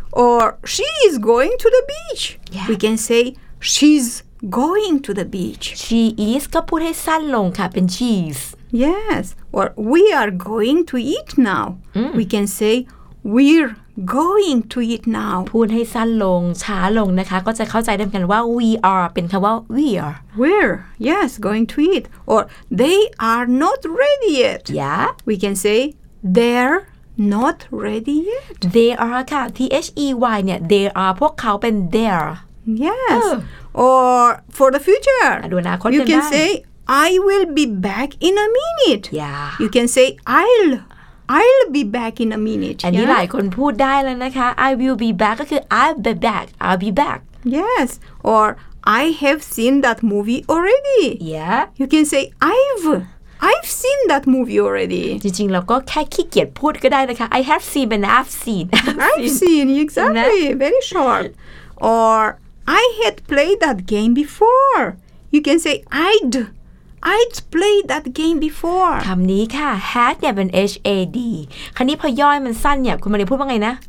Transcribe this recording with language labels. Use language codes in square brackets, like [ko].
[en] Or she is going to the beach Yeah We can say she's going to the beach She is [th] ก็พูดให้สั้นลงค่ะเป็น [en] she's Yes Or we are going to eat now We can say we'reGoing to eat now. [th] พูดให้สั้นลงช้าลงนะคะก็จะเข้าใจได้กันว่า [en] we are [th] เป็นคำว่า we are. [en] We're yes going to eat or they are not ready yet. Yeah. We can say they're not ready yet. They are [th] ค่ะ [en] T H E Y [th] เนี่ย [en] they are [th] พวกเขาเป็น [en] they're. Yes. Or for the future. [th] ดูนะคนเดิม ได้ [en] You can say I will be back in a minute. Yeah. You can say I'll be back in a minute. [th] อันนี้หลายคนพูดได้แล้วนะคะ [en] I will be back [th] ก็คือ [en] I'll be back. I'll be back. Yes. Or I have seen that movie already. Yeah. You can say I've seen that movie already. [th] จริงๆเราก็แค่ขี้เกียจพูดก็ได้นะคะ [en] I have seen and I've seen. I've seen. Exactly. Very short. Or I had played that game before. You can say I'd. I'd played that game before [th] คำนี้ค่ะ had เนี่ยเป็น had คราวนี้พอย่อยมันสั้นเนี่ยคุณมาเรียนพูดว่าไงนะ